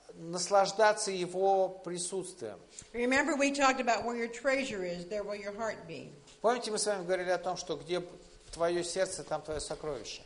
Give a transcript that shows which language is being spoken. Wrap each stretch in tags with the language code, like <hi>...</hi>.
<ru>Наслаждаться Его присутствием.</ru> <en>Remember we talked about where your treasure is, there will your heart be.</en> <ru>Помните, мы с вами говорили о том, что где твое сердце, там твое сокровище.</ru>